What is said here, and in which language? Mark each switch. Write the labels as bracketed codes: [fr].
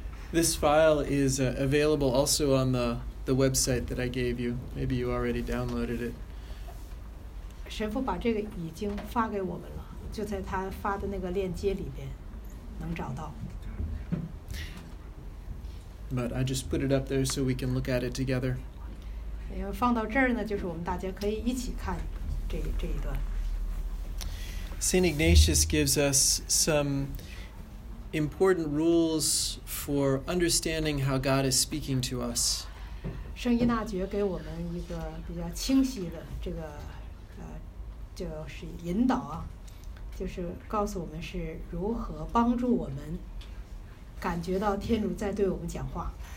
[en] This file is available also on the website that I gave you. Maybe you already downloaded it. [zh] 神父把这个已经发给我们了，就在他发的那个链接里边能找到。 [en] But I just put it up there so we can look at it together. [zh] 因为放到这儿呢，就是我们大家可以一起看这一段。 [en] St. Ignatius gives us some important rules for understanding how God is speaking to us. [zh] 圣依纳爵给我们一个比较清晰的这个就是引导啊，就是告诉我们是如何帮助我们感觉到天主在对我们讲话。